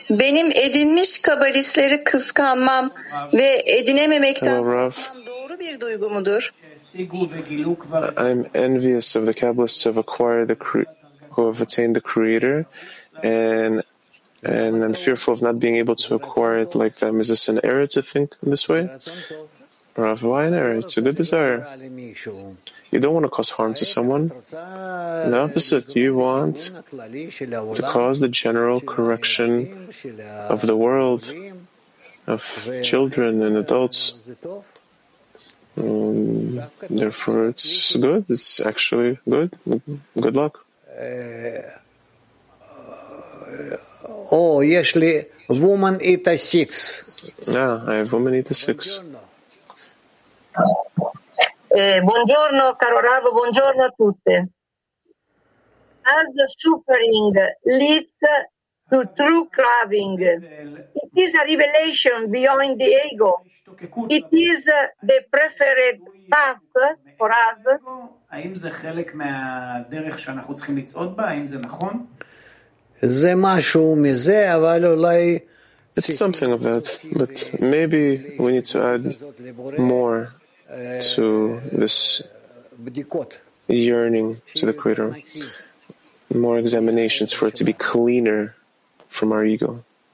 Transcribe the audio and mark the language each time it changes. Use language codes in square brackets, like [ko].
[tr] Benim edinmiş kabalistleri kıskanmam ve edinememekten doğru bir duygu mudur? [en] I'm envious of the kabalists who have acquired who have attained the Creator, and I'm fearful of not being able to acquire it like them. Is this an error to think in this way? Rav, why an error? It's a good desire. You don't want to cause harm to someone. The opposite, you want to cause the general correction of the world, of children and adults. Therefore, it's good. It's actually good. Good luck. Oh, actually, woman eat a six. Yeah, I have woman eat a six. [it] Buongiorno, caro Rav, buongiorno a tutte. [en] As the suffering leads to true craving, it is a revelation beyond the ego. It is the preferred path for us. [he] האם זה חלק מהדרך שאנחנו צריכים לצעוד בה? האם זה נכון? זה משהו מזה, אבל אולי... [en] It's something of that, but maybe we need to add more to this yearning to the Creator, more examinations for it to be cleaner from our ego.